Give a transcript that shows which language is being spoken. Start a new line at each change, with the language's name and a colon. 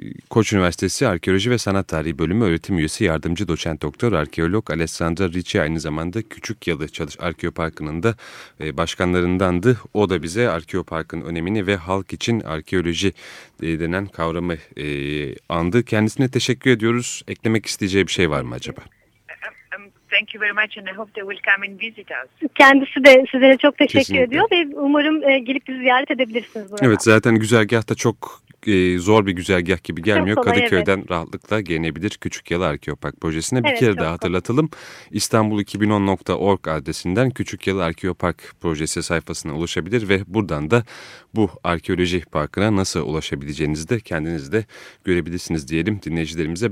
Turkish: Koç Üniversitesi Arkeoloji ve Sanat Tarihi Bölümü öğretim üyesi yardımcı doçent doktor arkeolog Alessandra Ricci aynı zamanda Küçükyalı Çalış Arkeoparkı'nın da başkanlarındandı. O da bize arkeoparkın önemini ve halk için arkeoloji denen kavramı andı. Kendisine teşekkür ediyoruz. Eklemek isteyeceği bir şey var mı acaba?
English: Thank you very much and I hope they will come and visit us.
Turkish: Kendisi de size de çok teşekkür Kesinlikle. Ediyor ve umarım gelip bizi ziyaret edebilirsiniz burada. Evet, zaten güzergah da çok zor bir güzergah gibi gelmiyor. Kolay, Kadıköy'den evet. Rahatlıkla gelinebilir Küçükyalı Arkeopark projesine. Bir evet, kere daha hatırlatalım. İstanbul2010.org adresinden Küçükyalı Arkeopark projesi sayfasına ulaşabilir ve buradan da bu arkeoloji parkına nasıl ulaşabileceğinizi de kendiniz de görebilirsiniz diyelim dinleyicilerimize.